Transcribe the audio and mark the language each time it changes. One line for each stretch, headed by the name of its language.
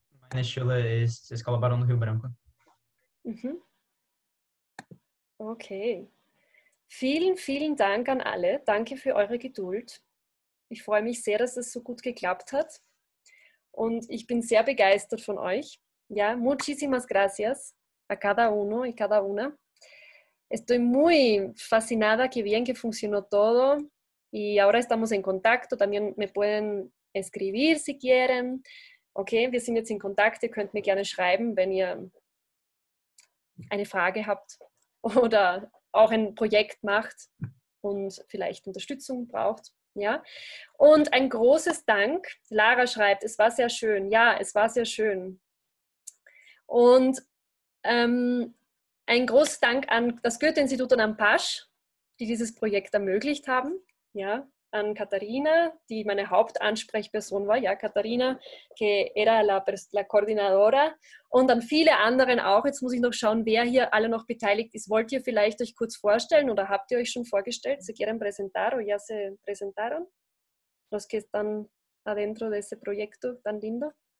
German: Meine Schule ist Escola Barão do Rio Branco. Mhm. Okay, vielen, vielen Dank an alle. Danke für eure Geduld. Ich freue mich sehr, dass es so gut geklappt hat. Und ich bin sehr begeistert von euch.
Spanish: Ja, muchísimas gracias a cada uno y cada una. Estoy muy fascinada, qué bien que funcionó todo. Y ahora estamos en contacto, también me pueden escribir si quieren.
German: Okay, wir sind jetzt in Kontakt, ihr könnt mir gerne schreiben, wenn ihr eine Frage habt oder auch ein Projekt macht und vielleicht Unterstützung braucht. Ja, und ein großes Dank. Lara schreibt, es war sehr schön. Ja, es war sehr schön. Und ein großes Dank an das Goethe-Institut und an Pasch, die dieses Projekt ermöglicht haben. Ja, an Katharina, die meine Hauptansprechperson war. Ja, Katharina,
Spanish: que era la coordinadora.
German: Und an viele anderen auch. Jetzt muss ich noch schauen, wer hier alle noch beteiligt ist. Wollt ihr vielleicht euch kurz vorstellen oder habt ihr euch schon vorgestellt?
Spanish: Se quieren presentar o ya se presentaron? Los que están adentro de ese proyecto tan lindo.